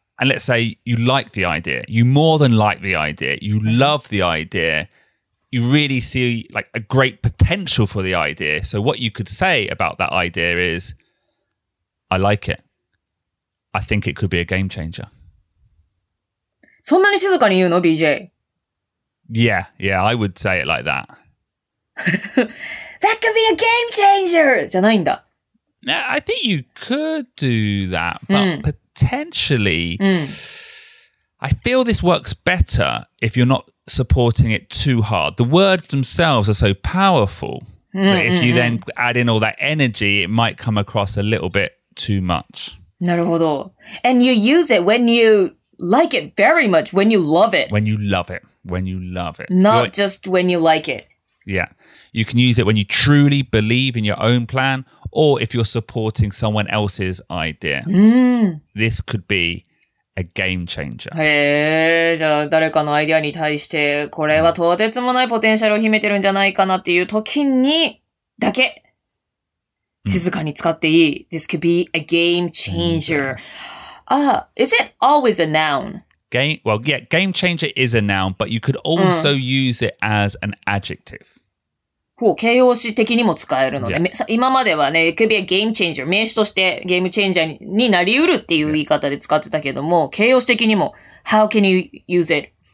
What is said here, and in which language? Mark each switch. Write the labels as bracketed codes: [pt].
[en] And let's say you like the idea. You more than like the idea. You love the idea. You really see like a great potential for the idea. So what you could say about that idea is, I like it. I think it could be a game changer. [ja] そんなに静かに言うの ?BJ? [en] Yeah, yeah, I would say it like that. That could be a game changer! [ja] じゃないんだ。 [en] Now, I think you could do that, but potentially, I feel this works better if you're not supporting it too hard. The words themselves are so powerful that if you then add in all that energy, it might come across a little bit too much. [ja] なるほど。 [en] And you use it when you like it very much, when you love it. When you love it. Not you're, just when you like it. Yeah. You can use it when you truly believe in your own plan,Or if you're supporting someone else's idea, this could be a game changer. [ja] へえ、じゃあ誰かのアイデアに対してこれはとてつもないポテンシャルを秘めてるんじゃないかなっていう時にだけ静かに使っていい。 [en] This could be a game changer. Is it always a noun? Game changer is a noun, but you could also use it as an adjective. [ja] ほう、形容詞的にも使えるので、yeah. 今まではね、 [en] it could be a game changer. [ja] 名詞としてゲームチェンジャーになりうるっていう言い方で使ってたけども、形容詞的にも、 [en] how can you use it